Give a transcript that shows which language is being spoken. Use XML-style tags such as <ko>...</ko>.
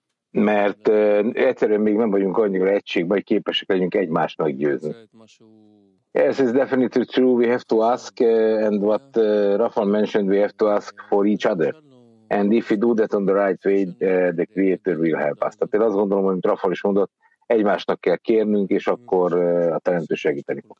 <hu>Mert egyszerűen még nem vagyunk annyira egységben, hogy képesek legyünk egymásnak győzni.</hu> <en>Yes, it's definitely true. We have to ask, and what Rafael mentioned, we have to ask for each other. And if we do that on the right way, the Creator will help us.</en> <hu>Tehát én azt gondolom, amit Rafael is mondott, egymásnak kell kérnünk, és akkor a Teremtő segíteni fog.</hu>